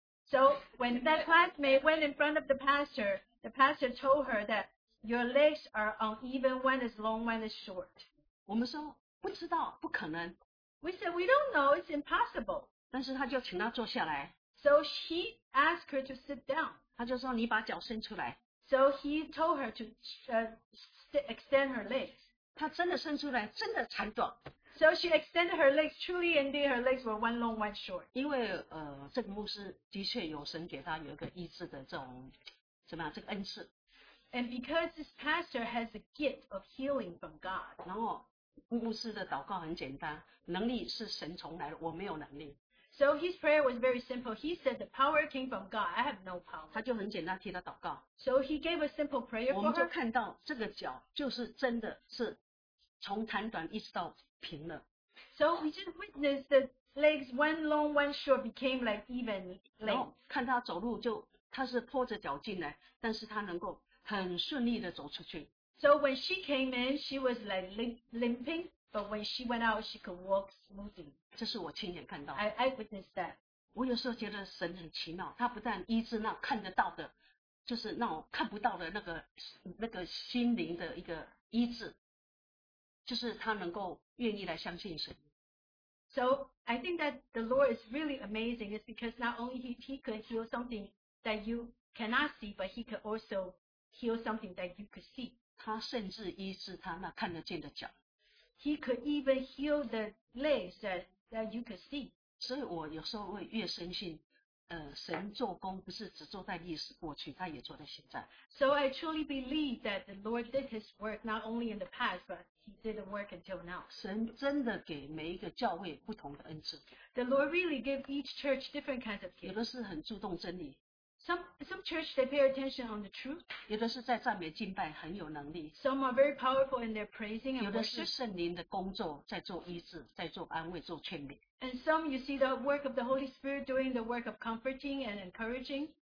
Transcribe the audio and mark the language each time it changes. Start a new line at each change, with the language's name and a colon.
English: So when that classmate went in front of the pastor told her that your legs are uneven, one is long, one is short
Chinese: 我们说不知道，不可能。
English: We said we don't know, it's impossible.
Chinese: 但是他就请他坐下来。
English: So he asked her to sit down.
Chinese: 他就说你把脚伸出来。
English: So he told her to extend her legs.
Chinese: 他真的伸出来，真的长短。
English: So she extended her legs, truly indeed her legs were one long, one short.
Chinese: 因为这个牧师的确有神给他有一个医治的这种这个恩赐。
English: And because this pastor has a gift of healing from God.
Chinese: 然后牧师的祷告很简单，能力是神从来的，我没有能力。
English: So his prayer was very simple. He said, the power came from God. I have no power.
Chinese: 他就很简单替他祷告。
English: So he gave a simple prayer for her.
Chinese: 我们就看到这个脚就是真的是从瘫痪一直到平了。
English: So we just witnessed the legs, one long, one short, became like even length.
Chinese: 看他走路就，他是拖着脚进来，但是他能够很顺利的走出去。
English: So when she came in, she was like limping. But when she went out, she could walk smoothly.
Chinese: 这是我亲眼看到的。
English: I witnessed that.
Chinese: 我有时候觉得神很奇妙，他不但医治那看得到的，就是那种看不到的那个心灵的一个医治，就是他能够愿意来相信神。
English: So I think that the Lord is really amazing. It's because not only he could heal something that you cannot see, but he could also heal something that you could see.
Chinese: 他甚至医治他那看得见的脚。
English: He could even heal the legs that you could see.
Chinese: 所以我有时候会越深信，神做工不是只做在历史过去，他也做在现在。
English: So I truly believe that the Lord did His work not only in the past, but He did the work until now.
Chinese: 神真的给每一个教会不同的恩赐。
English: The Lord really gave each church different kinds of gifts.
Chinese: 有的是很注重真理。
English: Some church they pay attention on the truth.
Chinese: 有的是在赞美敬拜很有能力。
English: Some are very powerful in their praising and worship.
Chinese: 有的是圣灵的工作在做医治，在做安慰，做劝勉。
English: And some you see the work of the Holy Spirit doing the work of comforting and encouraging.